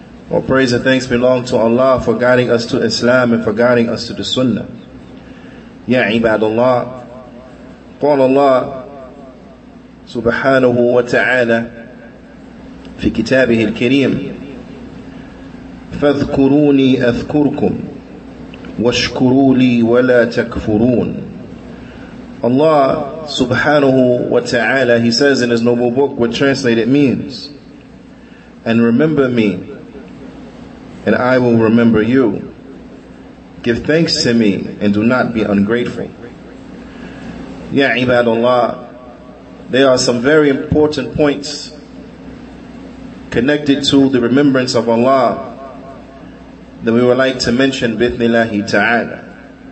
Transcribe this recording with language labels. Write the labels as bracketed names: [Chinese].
[English] All praise and thanks belong to Allah for guiding us to Islam and for guiding us to the sunnah. [Arabic] Ya ibadullah, qala Allah سبحانه وتعالى في كتابه الكريم فاذكروني أذكركم واشكروا لي ولا تكفرون. [English] Allah [Arabic] سبحانه وتعالى, [English] He says in His noble book what translated it means, and remember me and I will remember you. Give thanks to me and do not be ungrateful. [Arabic] يا عباد الله, [English] there are some very important points connected to the remembrance of Allah that we would like to mention [Arabic] bi'ithnillahi ta'ala.